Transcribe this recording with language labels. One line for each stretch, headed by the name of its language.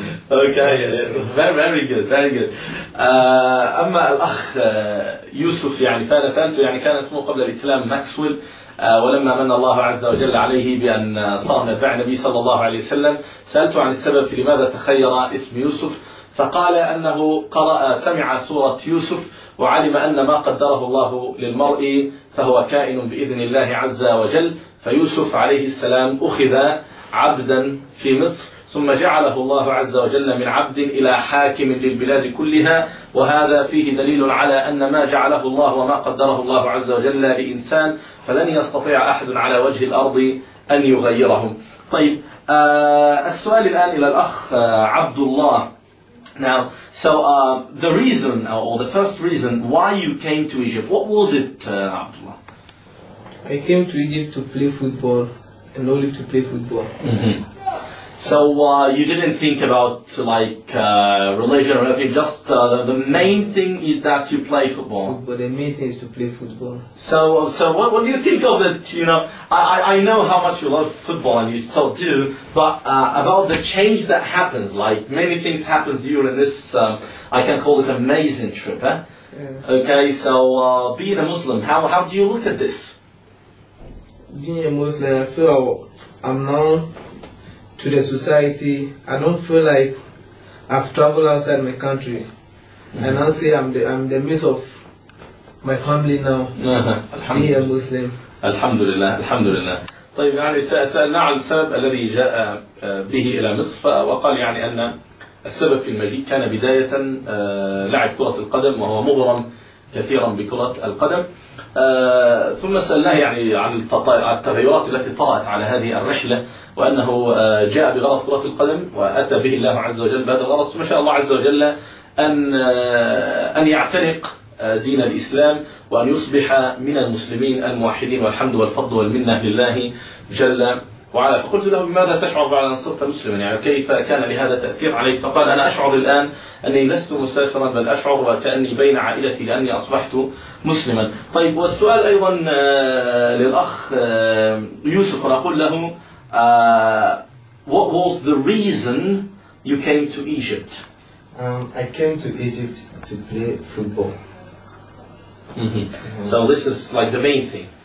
English: Okay, very good, very good.
Arabic: أما الأخ يوسف يعني فارسانتو يعني كان اسمه قبل الإسلام ماكسويل ولما من الله عز وجل عليه بأن صار نبع النبي صلى الله عليه وسلم سألته عن السبب في لماذا تخير اسم يوسف فقال أنه قرأ سمع سورة يوسف وعلم أن ما قدره الله للمرء فهو كائن بإذن الله عز وجل فيوسف عليه السلام أخذ عبدا في مصر ثم جعله الله عز وجل من عبد إلى حاكم للبلاد كلها وهذا فيه دليل على أن ما جعله الله وما قدره الله عز وجل لإنسان فلن يستطيع أحد على وجه الأرض أن يغيرهم. طيب السؤال الآن إلى الأخ عبد الله.
English: Now, so the reason, or the first reason, why you came to Egypt, what was it, Abdullah? I came to Egypt to play football, and only to play football. So you didn't think about like religion or anything, just the main thing is that you play football. But the main thing is to play football. So what do you think of it? You know, I know how much you love football and you still do, but about the change that happens, like many things happens during this, I can call it amazing trip, eh? Yeah. Okay, so being a Muslim, how do you look at this? Being a Muslim, I feel I'm known to the society. I don't feel like I've traveled outside my country. Mm-hmm. And I'll say I'm the midst of my family now. Uh-huh. Being a Muslim. Alhamdulillah, alhamdulillah.
Arabic: طيب يعني سألنا عن السبب الذي جاء به إلى مصر وقال يعني أن السبب في المجيء كان بداية لعب كرة القدم وهو مغرم كثيرا بكرة القدم ثم سألناه يعني عن التغيرات التي طرأت على هذه الرحلة وأنه جاء بغرض كرة القدم وأتى به الله عز وجل بهذا الغرض ثم شاء الله عز وجل أن يعتنق دين الإسلام وأن يصبح من المسلمين الموحدين والحمد والفضل والمنة لله جل وعلا فقلت له بماذا تشعر بعد أن صرت مسلما يعني كيف كان لهذا تأثير عليك فقال أنا أشعر الآن أني لست مسافرا بل أشعر وكأني بين عائلتي لأني أصبحت مسلما. طيب والسؤال أيضا للأخ يوسف أقول له
English: what was the reason you came to Egypt? I came to Egypt to play football. So this is like the main thing.